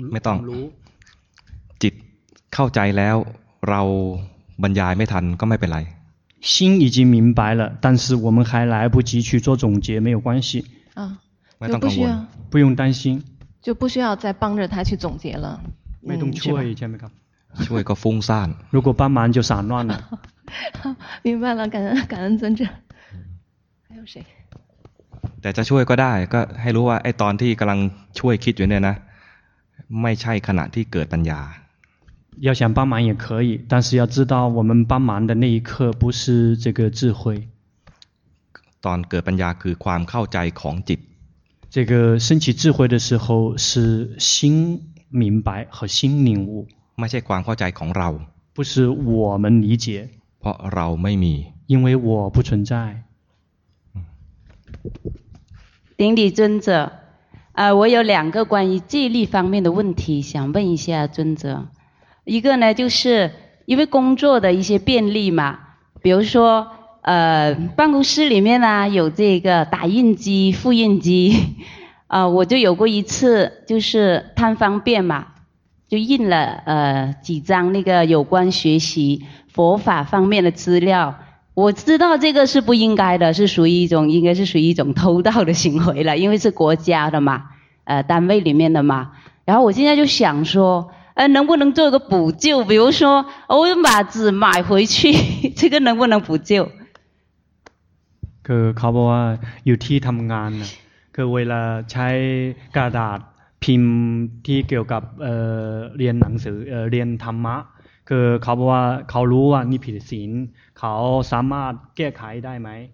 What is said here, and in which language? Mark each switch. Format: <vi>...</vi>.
<th>ไม่ต้องจิตเข้าใจแล้วเราบรรยายไม่ทันก็ไม่เป็นไร</th> <zh>心已经明白了但是我们还来不及去做总结没有关系啊就不需要不用担心就不需要再帮着他去总结了没动错以前没看错一个风扇如果帮忙就散乱了明白了感恩尊者还有谁</zh> <th>แต่จะช่วยก็ได้ก็ให้รู้ว่าไอ้ตอนที่กำลังช่วยคิดอยู่เนี่ยนะไม่ใช่ขณะที่เกิดปัญญา</th> <zh>要想帮忙也可以但是要知道我们帮忙的那一刻不是这个智慧</zh> <th>ตอนเกิดปัญญาคือความเข้าใจของจิต</th> <zh>这个升起智慧的时候是心明白和心领悟</zh> <th>ไม่ใช่ความเข้าใจของเรา</th> <zh>不是我们理解</zh> <th>เพราะเราไม่มี</th> <zh>因为我不存在顶礼尊者我有两个关于记忆力方面的问题想问一下尊者一个呢就是因为工作的一些便利嘛比如说办公室里面呢有这个打印机复印机我就有过一次就是贪方便嘛就印了几张那个有关学习佛法方面的资料我知道这个是不应该的是属于一种应该是属于一种偷盗的行为了因为是国家的嘛单位里面的嘛然后我现在就想说能不能做一个补救比如说我把纸买回去这个能不能补救</zh> <th>คือเขาบอกว่าอยู่ที่ทำงานคือเวลาใช้กระดาษพิมพ์ที่เกี่ยวกับเรียนหนังสือเรียนธรรมะคือเขาบอกว่าเขารู้ว่านี่ผิดศีลเขาสามารถแก้ไขได้ไหม</th>